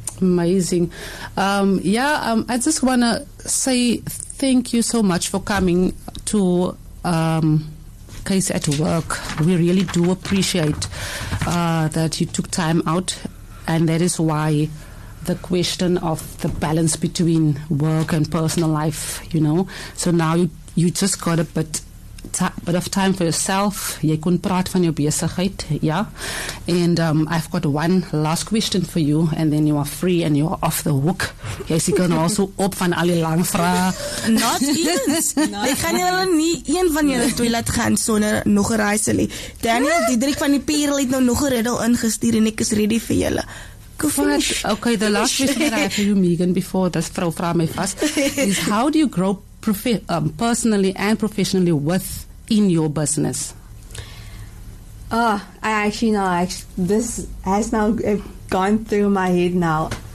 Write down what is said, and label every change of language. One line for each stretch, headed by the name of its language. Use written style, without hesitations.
English: Amazing. I just want to say thank you so much for coming to Case at Work. We really do appreciate that you took time out, and that is why the question of the balance between work and personal life, you know. So now you just got a bit of time for yourself.
Afrikaans: Jy kon praat van jou besigheid, ja.
English: And I've got one last question for you, and then you are free and you are off the hook.
Afrikaans: Jy sê kan also op van al die lang vrae. Not eens. Ek gaan julle nie een van julle twee laat gaan sonder nog 'n raaisel nie. Daniel Diederik van die Perel het nou nog 'n riddle ingestuur en ek is ready vir julle.
English: Okay, the last question that I have for you, Megan, before this
Afrikaans: vrou vra my vas,
English: is how do you grow personally and professionally with in your business? This has now gone through my head now.